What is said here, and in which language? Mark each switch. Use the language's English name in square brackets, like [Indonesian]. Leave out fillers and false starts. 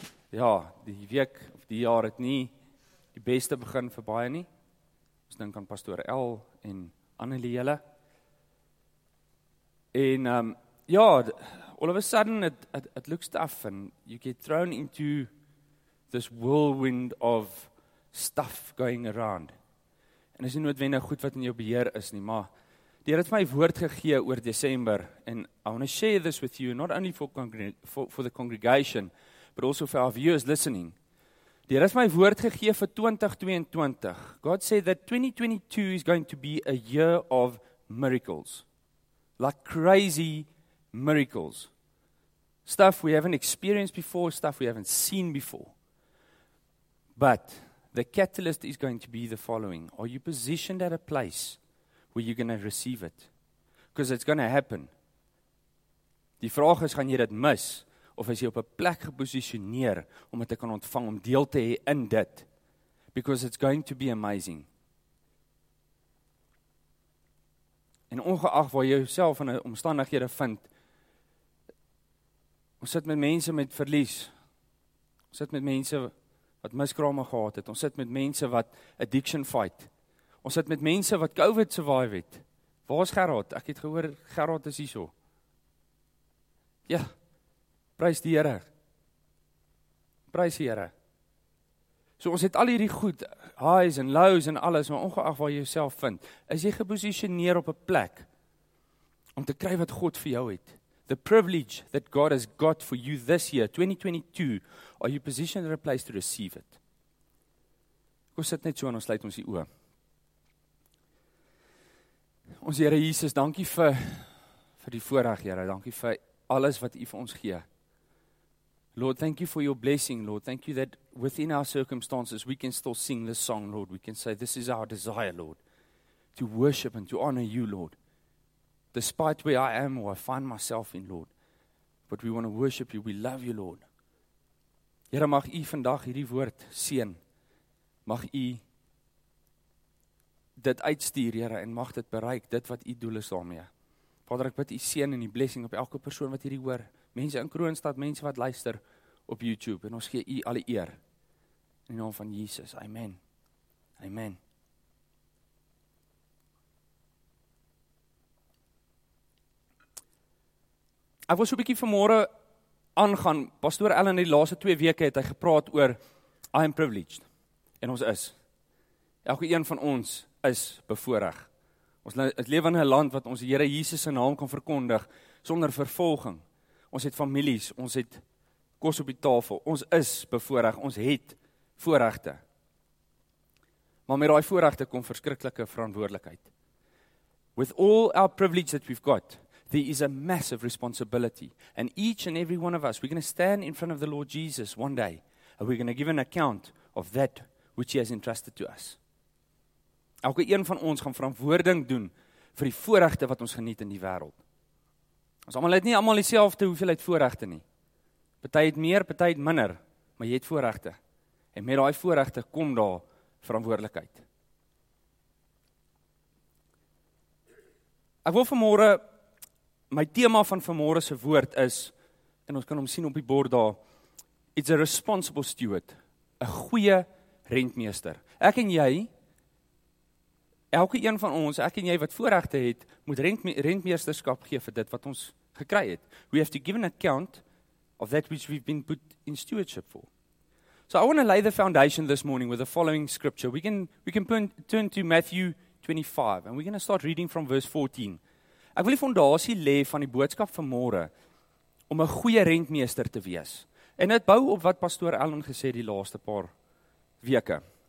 [Afrikaans] Yeah, die week of die jaar het nie die beste begin vir baie nie. Ons dink aan Pastor L en Annelie Jelle. [English] En all of a sudden it looks tough and you get thrown into this whirlwind of stuff going around. [Afrikaans] En is nie noodwendig goed wat in jou beheer is nie, maar die Heer het my woord gegee oor December en [English] I want to share this with you, not only for the congregation, but also for our viewers listening. [Afrikaans] Die Heer het my woord gegee vir 2022. [English] God said that 2022 is going to be a year of miracles. Like crazy miracles. Stuff we haven't experienced before, stuff we haven't seen before. But the catalyst is going to be the following. Are you positioned at a place where you're going to receive it? Because it's going to happen. [Afrikaans] Die vraag is, gaan jy dit mis? Of is jy op 'n plek gepositioneer om dit te kan ontvang, om deel te hê in dit? [English] Because it's going to be amazing. [Afrikaans] En ongeag waar jy jouself in 'n omstandighede vind, ons sit met mense met verlies. Ons sit met mense wat miskrame gehad het. Ons sit met mense wat addiction fight. Ons sit met mense wat COVID survive het. Waar is Gerard? Ek het gehoor, Gerard is hierso. Ja, prys die Here. Prys die Here. So ons het al hierdie goed, highs en lows en alles, maar ongeag waar jy jouself vind, is jy gepositioneer op 'n plek om te kry wat God vir jou het. [English] The privilege that God has got for you this year, 2022, are you positioned in a place to receive it? [Afrikaans] Kom sit net so en ons sluit ons die oë. Ons Here Jesus, dankie vir die voorreg, Here. Dankie vir alles wat U vir ons gee. [English] Lord, thank you for your blessing, Lord. Thank you that within our circumstances we can still sing this song, Lord. We can say this is our desire, Lord, to worship and to honor you, Lord. Despite where I am or I find myself in, Lord. But we want to worship you. We love you, Lord. [Afrikaans] Here, mag U vandag hierdie woord seën. Mag U dit uitstuur, Here, en mag dit bereik dit wat U doel is daarmee. Vader, ek bid U seën en die blessing op elke persoon wat hierdie hoor. Mense in Kroonstad, mense wat luister op YouTube. En ons gee U alle eer. In die naam van Jesus. Amen. Amen. Ek wil so 'n bietjie vanmôre aangaan. Pastoor Allen, in die laaste 2 weke het hy gepraat oor [English] I am privileged. [Afrikaans] En ons is. Elke een van ons is bevoorreg. Ons leef in 'n land wat ons Here Jesus se naam kan verkondig sonder vervolging. Ons het families, ons het kos op die tafel. Ons is bevoorreg, ons het voorregte. Maar met daai voorregte kom verskriklike verantwoordelikheid. [English] With all our privilege that we've got, there is a massive responsibility. And each and every one of us, we're going to stand in front of the Lord Jesus one day, and we're going to give an account of that which He has entrusted to us. [Afrikaans] Elke een van ons gaan verantwoording doen vir die voorregte wat ons geniet in die wêreld. Ons almal het nie almal dieselfde hoeveelheid voorregte nie. Party het meer, party het minder, maar jy het voorregte. En met daai voorregte kom daar verantwoordelikheid. Ek wil vanmôre, my tema van vanmôre se woord is, en ons kan hom sien op die bord daar, [English] it's a responsible steward, [Afrikaans] 'n goeie rentmeester. Ek en jy, elke een van ons, ek en jy wat voorregte het, moet rentmeesterskap gee vir dit wat ons gekry het. [English] We have to give an account of that which we've been put in stewardship for. So I want to lay the foundation this morning with the following scripture. We can turn to Matthew 25 and we're going to start reading from verse 14. [Afrikaans] Ek wil die fondasie lê van die boodskap van môre om 'n goeie rentmeester te wees. En dit bou op wat Pastoor Allen gesê die laaste paar weke.